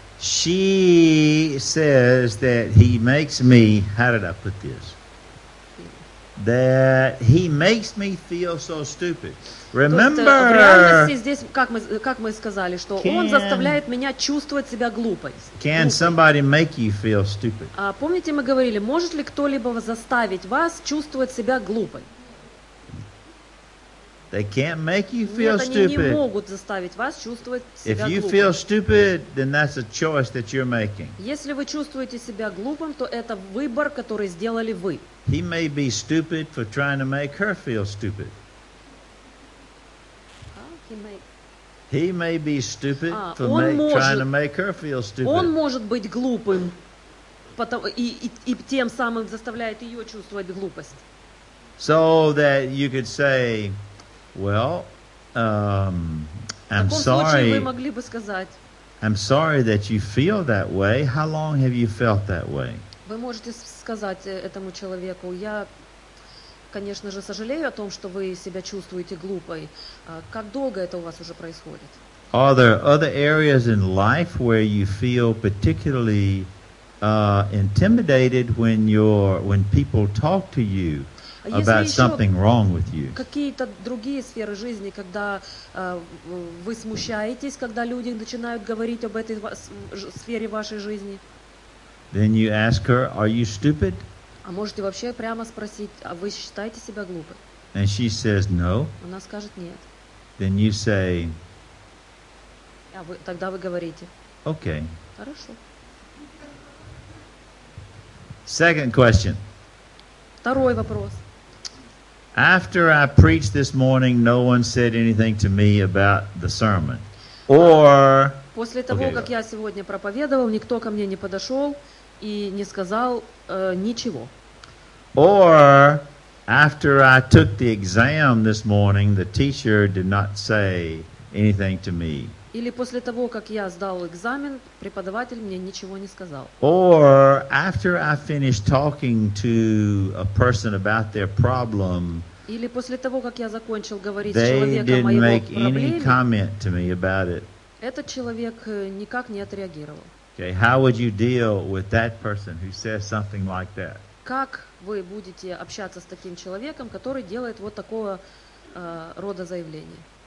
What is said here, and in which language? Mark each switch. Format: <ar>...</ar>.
<en>She says that he makes me, how did I put this? That he makes me feel so stupid. Remember,</en> <ru>в реальности здесь, как мы сказали, что он заставляет меня чувствовать себя глупой.</ru> <en>Can somebody make you feel stupid?</en> <ru>Помните, мы говорили, может ли кто-либо заставить вас чувствовать себя глупой?</ru> <en>They can't make you feel stupid.</en> <ru>Нет, они не могут заставить вас чувствовать себя глупым.</ru> <en>If you feel stupid, then that's a choice that you're making.</en> <ru>Если вы чувствуете себя глупым, то это выбор, который сделали вы.</ru> <en>He may be stupid for trying to make her feel stupid. He may be stupid for trying to make her feel stupid.</en> <ru>Он может быть глупым, и тем самым заставляет ее чувствовать глупость.</ru> <en>So that you could say, well, I'm sorry.</en> <ru>В таком случае вы могли бы сказать.</ru> <en>I'm sorry that you feel that way. How long have you felt that way?</en> <ru>Вы можете сказать этому человеку, я, конечно же, сожалею о том, что вы себя чувствуете глупой. Как долго это у вас уже происходит?</ru> <en>Are there other areas in life where you feel particularly intimidated when people talk to you about something wrong with you?</en> <ru>Какие-то другие сферы жизни, когда вы смущаетесь, когда люди начинают говорить об этой сфере вашей жизни?</ru> <en>Then you ask her, are you stupid?</en> <ru>А можете вообще прямо спросить, а вы считаете себя глупой?</ru> <en>And she says no.</en> <ru>Она скажет нет.</ru> <en>Then you say.</en> <ru>А вы тогда вы говорите.</ru> <en>Okay.</en> <ru>Хорошо.</ru> <en>Second question.</en> <ru>Второй вопрос.</ru> <en>After I preached this morning, no one said anything to me about the sermon. Or.</en> <ru>После того, как я сегодня проповедовал, никто ко мне не подошел и не сказал ничего.</ru> <en>Or. After I took the exam this morning, the teacher did not say anything to me.</en> <ru>Или после того, как я сдал экзамен, преподаватель мне ничего не сказал.</ru> <en>Or after I finished talking to a person about their problem.</en> <ru>Или после того, как я закончил говорить с человеком о его</ru> <en>проблеме. They didn't make any comment to me about it.</en> <ru>Этот человек никак не отреагировал.</ru> <en>Okay, how would you deal with that person who says something like that?</en> <ru>Как вы будете общаться с таким человеком, который делает вот такого рода заявление?</ru>